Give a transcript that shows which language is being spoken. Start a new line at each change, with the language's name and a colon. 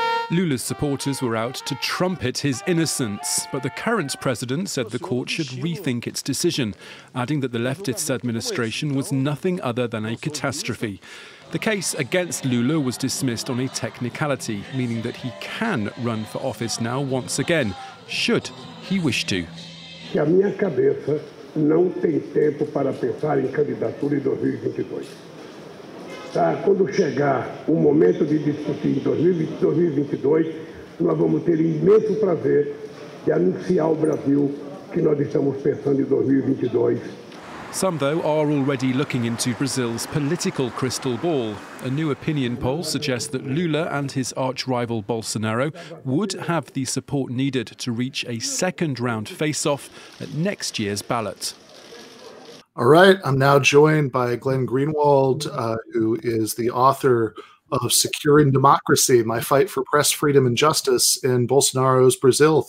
English: Lula's supporters were out to trumpet his innocence, but the current president said the court should rethink its decision, adding that the leftist administration was nothing other than a catastrophe. The case against Lula was dismissed on a technicality, meaning that he can run for office now once again, should he wish to.
Portuguese: Que a minha cabeça não tem tempo para pensar em candidatura em 2022. Quando chegar o momento de discutir em 2022, nós vamos ter imenso prazer de anunciar ao Brasil que nós estamos pensando em 2022.
English: Some, though, are already looking into Brazil's political crystal ball. A new opinion poll suggests that Lula and his arch-rival Bolsonaro would have the support needed to reach a second-round face-off at next year's ballot. All right, I'm now joined by Glenn Greenwald, who is the author of Securing Democracy, My Fight for Press Freedom and Justice in Bolsonaro's Brazil.